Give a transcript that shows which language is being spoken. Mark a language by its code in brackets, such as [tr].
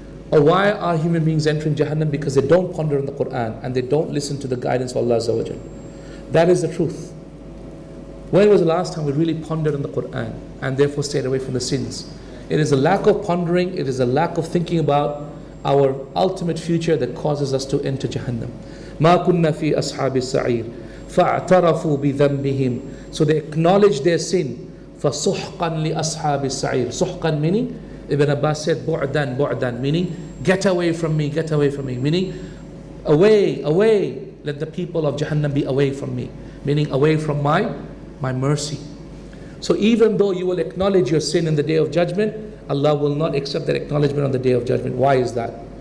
[en] Or why are human beings entering Jahannam? Because they don't ponder on the Quran and they don't listen to the guidance of Allah Azza wa Jal. That is the truth. When was the last time we really pondered on the Qur'an and therefore stayed away from the sins? It is a lack of pondering, it is a lack of thinking about our ultimate future that causes us to enter Jahannam. [ar] مَا كُنَّ فِي أَصْحَابِ السَّعِيرِ فَاَعْتَرَفُوا بِذَنْبِهِمْ [en] So they acknowledged their sin. [ar] فَصُحْقًا لِأَصْحَابِ السَّعِيرِ صُحْقًا [en] meaning, Ibn Abbas said, [ar] بُعْدًا بُعْدًا [en] meaning, get away from me, meaning, away, away, let the people of Jahannam be away from me, meaning away from my mercy. So even though you will acknowledge your sin in the day of judgment, Allah will not accept that acknowledgement on the day of judgment. Why is that?